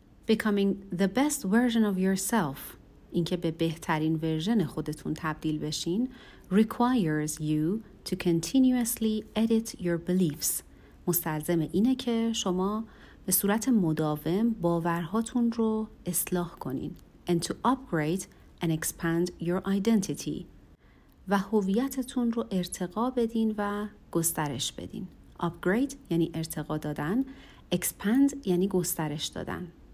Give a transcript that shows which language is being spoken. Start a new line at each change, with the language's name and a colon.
English: Becoming the best version of yourself,
Persian: اینکه به بهترین ورژن خودتون تبدیل بشین,
English: requires you to continuously edit your beliefs.
Persian: مستلزم اینه که شما به صورت مداوم باورهاتون رو اصلاح کنین.
English: And to upgrade and expand your identity.
Persian: و هویتتون رو ارتقا بدین و گسترش بدین. Upgrade یعنی ارتقا دادن. Expand یعنی گسترش دادن.